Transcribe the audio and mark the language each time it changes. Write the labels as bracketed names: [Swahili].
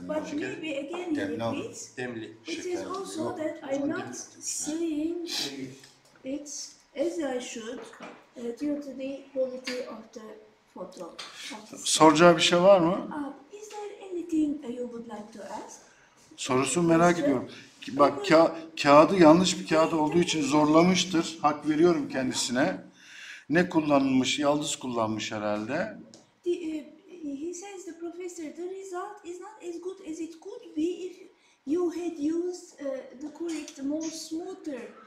[English] But maybe again he repeats, it is also that I'm not seeing it as I should due to the quality of the photo of the stem. [Turkish] Soracağı bir şey var mı? [English] Is there anything you would like to ask [Turkish] Sorusunu merak [English] professor? [Turkish] ediyorum. Bak kağıdı yanlış bir kağıt olduğu için zorlamıştır. Hak veriyorum kendisine. Ne kullanılmış? Yaldız kullanmış herhalde. [English] He says the professor, the result is not as good as it could be if you had used the correct, more smoother